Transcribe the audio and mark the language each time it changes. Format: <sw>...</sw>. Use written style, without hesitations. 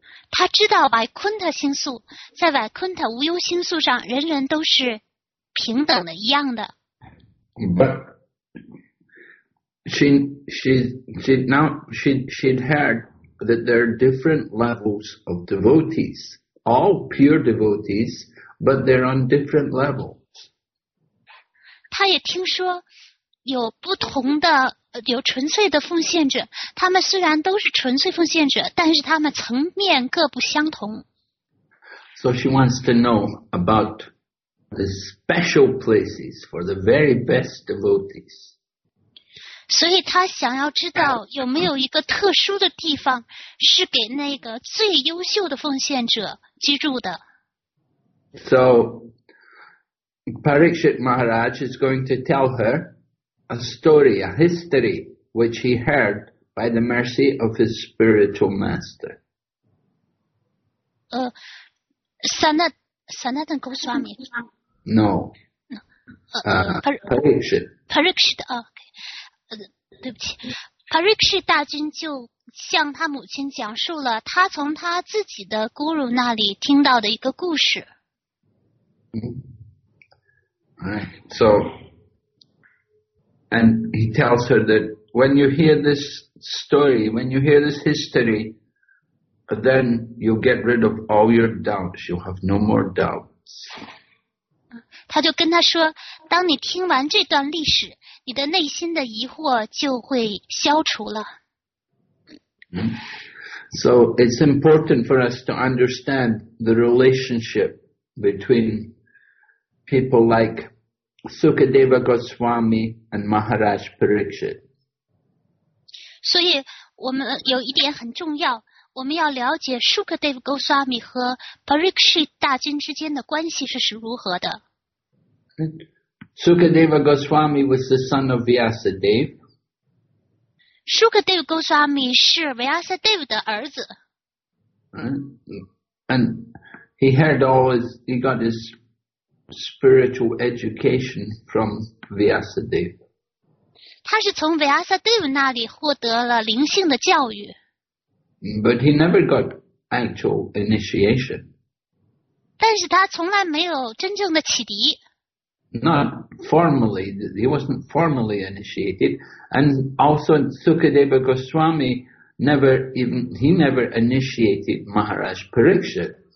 <zh>她知道 Vaikuntha 星宿，在 Vaikuntha 无忧星宿上，人人都是平等的，一样的。</zh> <en>But she'd heard that there are different levels of devotees, all pure devotees, but they're on different levels.</en> <zh>她也听说有不同的有纯粹的奉献者，他们虽然都是纯粹奉献者，但是他们层面各不相同。</zh> <en>So she wants to know about the special places for the very best devotees.</en> <zh>所以他想要知道有没有一个特殊的地方是给那个最优秀的奉献者居住的。</zh> <en>So Parikshit Maharaj is going to tell her a story, a history, which he heard by the mercy of his spiritual master. Sanatana Goswami. No.</en> <zh>Parikshit. Parikshit. 对不起。 Parikshit 大君就向他母亲讲述了他从他自己的 guru 那里听到的一个故事。</zh> <en>Alright, so, and he tells her that when you hear this story, when you hear this history, then you'll get rid of all your doubts. You'll have no more doubts.</en> <zh>他就跟他说，当你听完这段历史，你的内心的疑惑就会消除了。</zh> <en>So it's important for us to understand the relationship between people like Sukadeva Goswami and Maharaj Parikshit.</en> <zh>所以我们有一点很重要，我们要了解 Sukadeva Goswami 和 Parikshit 大君之间的关系是如何的。</zh> <en>Sukadeva Goswami was the son of Vyasadeva.</en> <zh>Sukadeva Goswami 是 Vyasadeva 的儿子。</zh> <en>And he had always, he got his spiritual education from Vyasadeva.</en> <zh>他是从 Vyasadeva 那里获得了灵性的教育。</zh> <en>But he never got actual initiation.</en> <zh>但是他从来没有真正的启迪。</zh> <en>Not formally, he wasn't formally initiated, and also Sukadeva Goswami never initiated Maharaj Parikshit.</en>